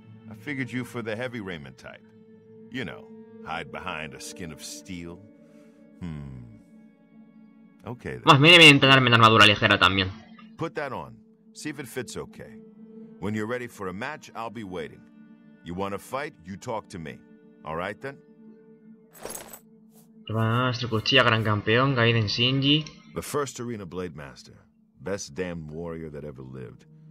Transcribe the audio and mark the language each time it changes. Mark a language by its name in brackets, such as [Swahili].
[English] I figured you for the heavy raiment type. You know, hide behind a skin of steel. Okay. [Spanish] Más bien deben entrenarme en armadura ligera también. [English] Put that on. See if it fits okay. When you're ready for a match, I'll be waiting. You want to fight? You talk to me. All right then. [Spanish] Nuestra cuchilla, gran campeón, Gaiden Shinji. [English] The first arena blade master. Best damned warrior that ever lived.